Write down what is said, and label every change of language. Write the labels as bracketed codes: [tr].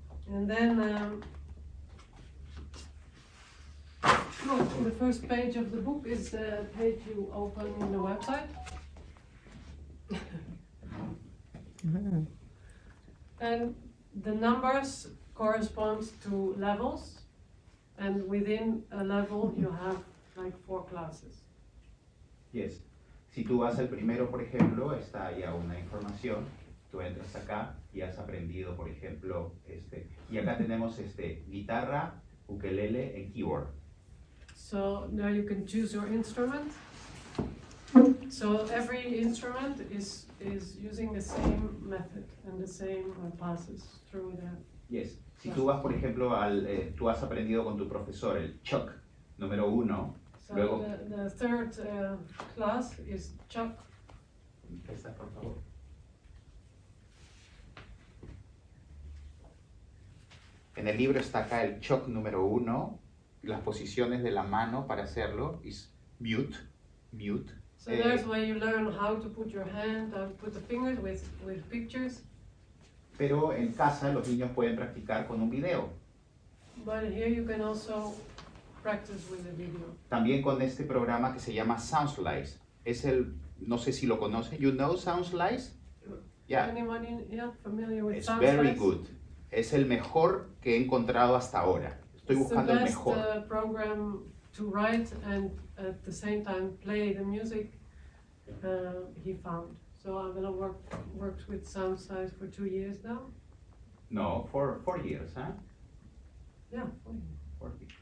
[en] And then the first page of the book is the page you open in the website. And the numbers correspond to levels, and within a level you have like four classes. Yes. [es] Si tú vas al primero, por ejemplo, está ya una información. Tú entras acá y has aprendido, por ejemplo, este. Y acá tenemos este guitarra, ukelele, [en] and keyboard. So now you can choose your instrument. So every instrument is using the same method and the same passes through the yes. Classes. [es] Si tú vas, por ejemplo, al tú has aprendido con tu profesor el chuk número uno. [en] So [es] luego [en] the third class is chuk. [es] Empieza, por favor. En el libro está acá el chuk número uno, las posiciones de la mano para hacerlo [en] is mute. So there's where you learn how to put your hand, how to put the fingers with pictures. [es] Pero en casa los niños pueden practicar con un video. [en] But here you can also practice with a video. [es] También con este programa que se llama Sound Slice. Es el, no sé si lo conocen. [en] You know Sound Slice? Yeah. Anyone familiar with Sound Slice? It's very good. [es] Es el mejor que he encontrado hasta ahora. Estoy buscando el mejor. [en] It's the best program to write and at the same time play the music he found. So Abelo worked with Sound Slice for 2 years now? No, for 4 years, huh? Yeah, 4 years.